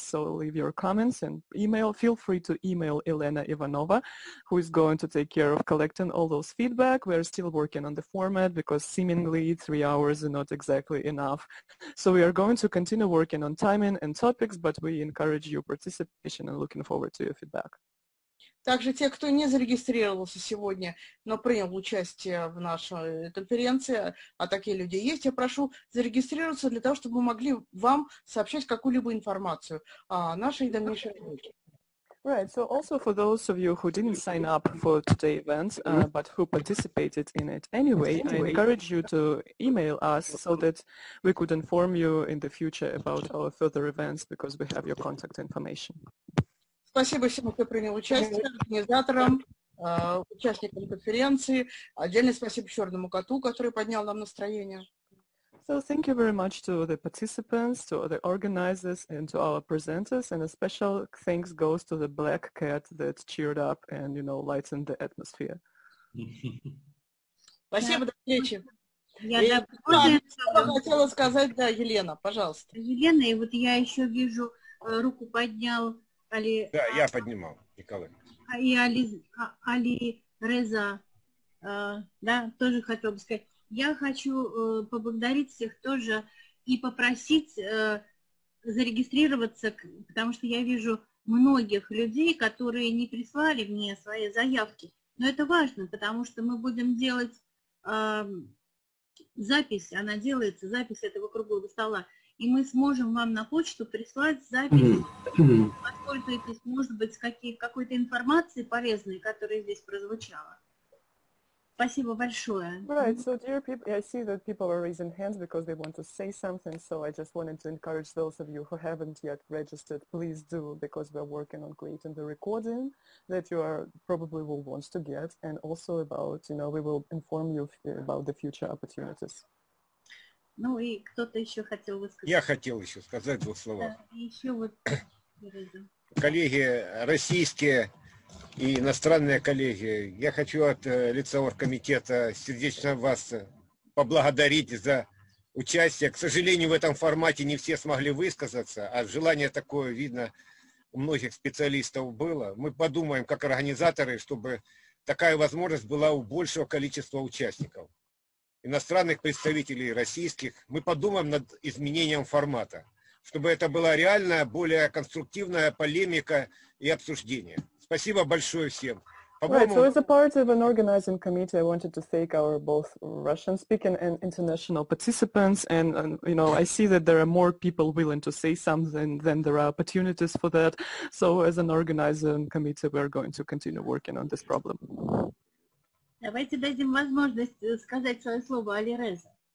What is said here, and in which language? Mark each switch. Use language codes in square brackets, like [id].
[en] So leave your comments and email. Feel free to email Elena Ivanova, who is going to take care of collecting all those feedback. We are still working on the format because seemingly 3 hours is not exactly enough. So we are going to continue working on timing and topics, but we encourage your participation and looking forward to your feedback. [ru] Также те, кто не зарегистрировался сегодня, но принял участие в нашей конференции, а такие люди есть, я прошу зарегистрироваться для того, чтобы мы могли вам сообщать какую-либо информацию о нашей дальнейшей работе. [en] Right, so also for those of you who didn't sign up for today's event, but who participated in it anyway, I encourage you to email us so that we could inform you in the future about our further events, because we have your contact information. [ru] Спасибо всем, кто принял участие, организаторам, участникам конференции. Отдельное спасибо Черному коту, который поднял нам настроение. [en] So thank you very much to the participants, to the organizers, and to our presenters, and a special thanks goes to the black cat that cheered up and, you know, lightened the atmosphere. [ru] Спасибо, до встречи. Я хотела сказать, да, Елена, пожалуйста. Елена, и вот я еще вижу, руку поднял Али... Да, я поднимал, Николай. И Али Реза, да, тоже хотел бы сказать. Я хочу поблагодарить всех тоже и попросить зарегистрироваться, потому что я вижу многих людей, которые не прислали мне свои заявки. Но это важно, потому что мы будем делать запись, она делается, запись этого круглого стола, и мы сможем вам на почту прислать запись, воспользуйтесь, может быть, какой-то информацией полезной, которая здесь прозвучала. [en] Right, so dear people, I see that people are raising hands because they want to say something, so I just wanted to encourage those of you who haven't yet registered, please do, because we're working on creating the recording that you are probably will want to get, and also about, you know, we will inform you about the future opportunities. [ru] Ну и кто-то еще хотел высказать. Я хотел еще сказать 2 слова. Еще вот. Коллеги, российские и иностранные коллеги, я хочу от лица оргкомитета сердечно вас поблагодарить за участие. К сожалению, в этом формате не все смогли высказаться, а желание такое, видно, у многих специалистов было. Мы подумаем, как организаторы, чтобы такая возможность была у большего количества участников, иностранных представителей, российских. Мы подумаем над изменением формата, чтобы это была реальная, более конструктивная полемика и обсуждение. Спасибо большое всем. [en] Right, so as a part of an organizing committee, I wanted to thank our both Russian-speaking and international participants. And you know, I see that there are more people willing to say something than there are opportunities for that. So as an organizing committee, we are going to continue working on this problem. [ru] Давайте дадим возможность сказать свое слово Али Реза.